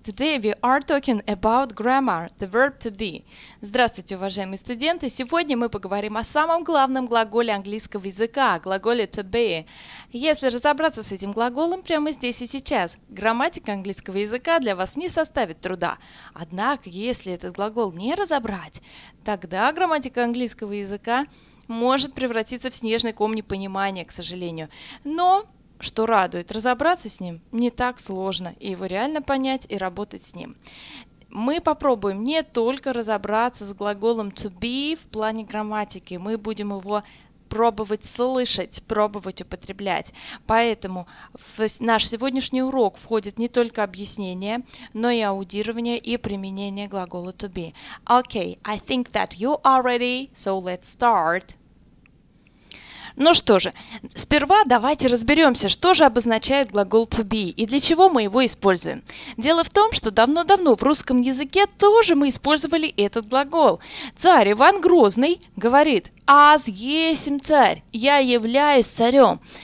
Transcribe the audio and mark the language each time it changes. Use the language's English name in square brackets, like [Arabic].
[English] Today we are talking about grammar, the verb to be. [Russian] Здравствуйте, уважаемые студенты. Сегодня мы поговорим о самом главном глаголе английского языка, глаголе to be. Если разобраться с этим глаголом прямо здесь и сейчас, грамматика английского языка для вас не составит труда. Однако, если этот глагол не разобрать, тогда грамматика английского языка может превратиться в снежный ком непонимания, к сожалению. Но что радует, разобраться с ним не так сложно, и его реально понять и работать с ним. Мы попробуем не только разобраться с глаголом to be в плане грамматики, мы будем его пробовать слышать, пробовать употреблять. Поэтому в наш сегодняшний урок входит не только объяснение, но и аудирование и применение глагола to be. [English] Okay, I think that you are ready, so let's start. [Russian] Ну что же, сперва давайте разберемся, что же обозначает глагол to be и для чего мы его используем. Дело в том, что давно-давно в русском языке тоже мы использовали этот глагол. Царь Иван Грозный говорит «Аз есмь царь, я являюсь царем».